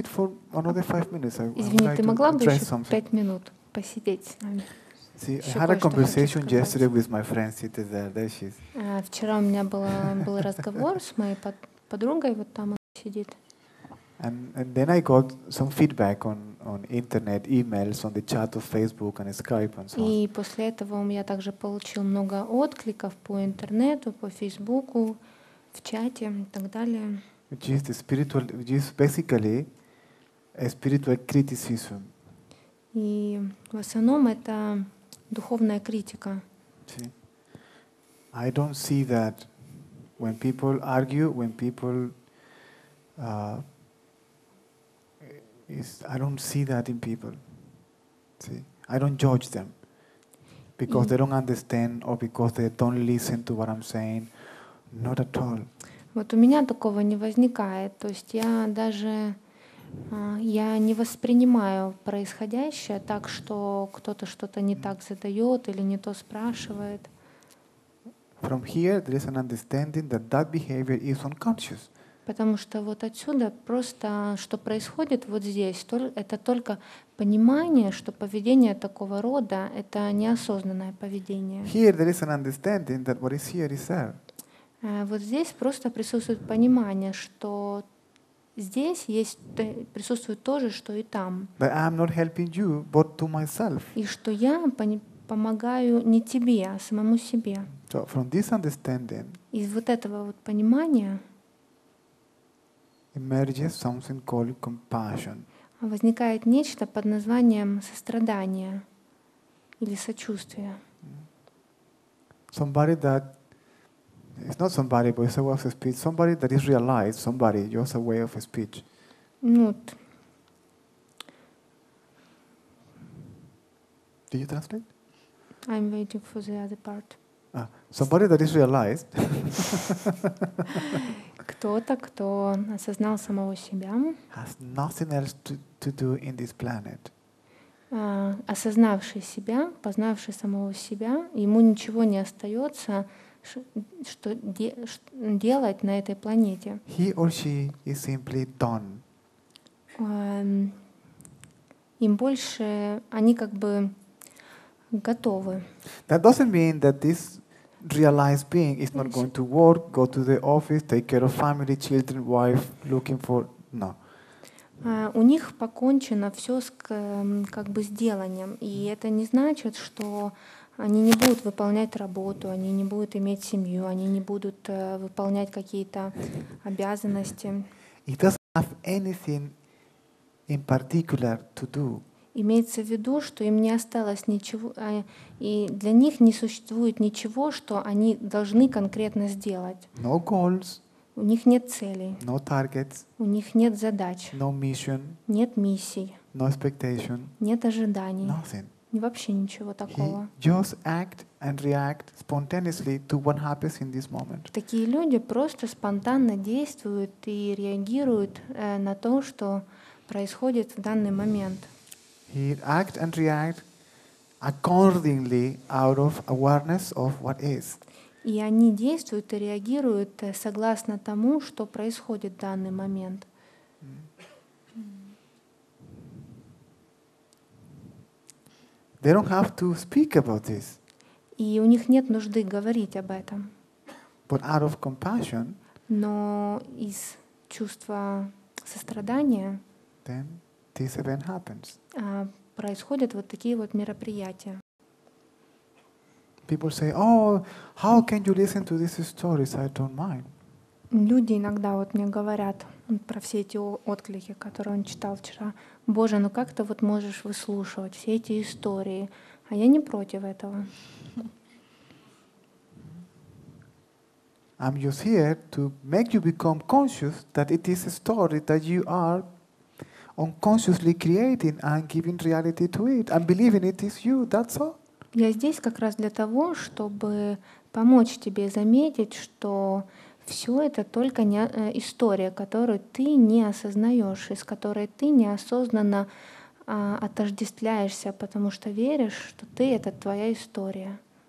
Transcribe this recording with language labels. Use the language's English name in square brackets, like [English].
[Russian] Извини, ты могла бы еще 5 минут посидеть с нами? [English] See, I had a conversation yesterday with my friend sitting there. There she is. [Russian] Вчера у меня был разговор с моей подругой, вот там она сидит. [English] And then I got some feedback on internet, emails, on the chat of Facebook and Skype and so on. [Russian] И после этого я также получил много откликов по интернету, по Фейсбуку, в чате и так далее. [English] Which is the spiritual, which is basically a spiritual criticism. [Russian] И в основном это духовная критика. [English] See, I don't see that when people argue, when people is I don't see that in people. See, I don't judge them because they don't understand or because they don't listen to what I'm saying. Not at all. [Russian] Вот у меня такого не возникает. То есть я даже я не воспринимаю происходящее так, что кто-то что-то не так задает или не то спрашивает. [English] From here there is an understanding that that behavior is unconscious. [Russian] Потому что вот отсюда просто, что происходит вот здесь, это только понимание, что поведение такого рода — это неосознанное поведение. [English] Here there is an understanding that what is here is there. [Russian] Вот здесь просто присутствует понимание, что здесь есть, присутствует то же, что и там. [English] But I'm not helping you, but to myself. [Russian] И что я помогаю не тебе, а самому себе. [English] So from this understanding, [Russian] из вот этого вот понимания [English] emerges something called compassion. [Russian] Возникает нечто под названием сострадание или сочувствие. [English] Somebody that it's not somebody, but it's a way of speech. Somebody that is realized, somebody, just a way of speech. Did you translate? I'm waiting for the other part. Somebody that is realized. [Russian] Кто-то, кто осознал самого себя. [English] Has nothing else to do in this planet. [Russian] Осознавший себя, познавший самого себя, ему ничего не остается. Что делать на этой планете? [English] He or she is simply done. [Russian] Им больше они как бы готовы. [English] That doesn't mean that this realized being is not going to work, go to the office, take care of family, children, wife, looking for no. [Russian] У них покончено все с как бы с деланием, и это не значит, что они не будут выполнять работу, они не будут иметь семью, они не будут выполнять какие-то обязанности. [English] It doesn't have anything in particular to do. [Russian] Имеется в виду, что им не осталось ничего, и для них не существует ничего, что они должны конкретно сделать. [English] No goals. [Russian] У них нет целей. [English] No targets. [Russian] У них нет задач. [English] No mission. [Russian] Нет миссий. [English] No expectation. [Russian] Нет ожиданий. [English] Nothing. [Russian] Вообще ничего такого. [English] He just act and react spontaneously to what happens in this moment. [Russian] Такие люди просто спонтанно действуют и реагируют на то, что происходит в данный момент. [English] He act and react accordingly out of awareness of what is. [Russian] И они действуют и реагируют согласно тому, что происходит в данный момент. [English] They don't have to speak about this. [Russian] И у них нет нужды говорить об этом. [English] But out of compassion, [Russian] но из чувства сострадания, [English] then this event happens. [Russian] Происходят вот такие вот мероприятия. [English] People say, "Oh, how can you listen to these stories? I don't mind." [Russian] Люди иногда вот мне говорят про все эти отклики, которые он читал вчера. Боже, ну как ты вот можешь выслушивать все эти истории? А я не против этого. [English] I'm just here to make you become conscious that it is a story that you are unconsciously creating and giving reality to it and believing it is you. That's all. [Russian] Я здесь как раз для того, чтобы помочь тебе заметить, что все это только не история, которую ты не осознаешь, из которой ты неосознанно отождествляешься, потому что веришь, что ты — это твоя история.